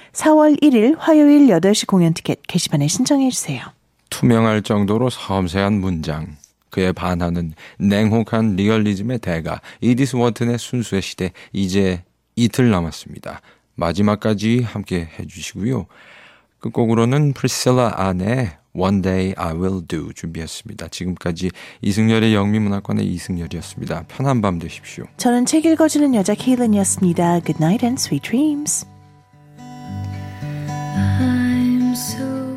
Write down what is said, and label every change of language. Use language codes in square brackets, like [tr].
[ko] 4월 1일 화요일 8시 공연 티켓 게시판에 신청해 주세요. 투명할 정도로 섬세한 문장. 그에 반하는 냉혹한 리얼리즘의 대가. 이디스 워튼의 순수의 시대. 이제 이틀 남았습니다. 마지막까지 함께 해 주시고요. 끝곡으로는 프리실라 안의 One Day I Will Do 준비했습니다. 지금까지 이승열의 영미문화권의 이승열이었습니다. 편한 밤 되십시오. 저는 책 읽어주는 여자 케일린이었습니다. [en] Good night and sweet dreams. I'm so